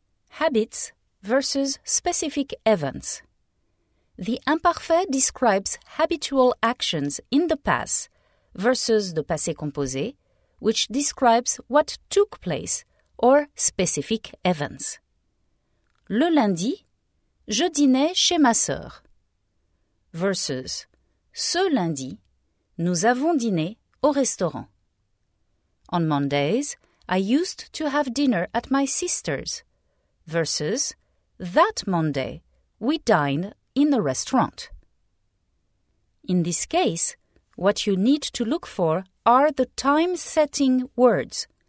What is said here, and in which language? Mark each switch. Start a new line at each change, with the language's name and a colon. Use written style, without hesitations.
English: Habits versus specific events. The imparfait describes habitual actions in the past versus the passé composé, which describes what took place or specific events.
French: Le lundi, je dînais chez ma sœur. Versus ce lundi, nous avons dîné au restaurant.
English: On Mondays, I used to have dinner at my sister's. Versus that Monday, we dined in the restaurant. In this case, what you need to look for are the time-setting words.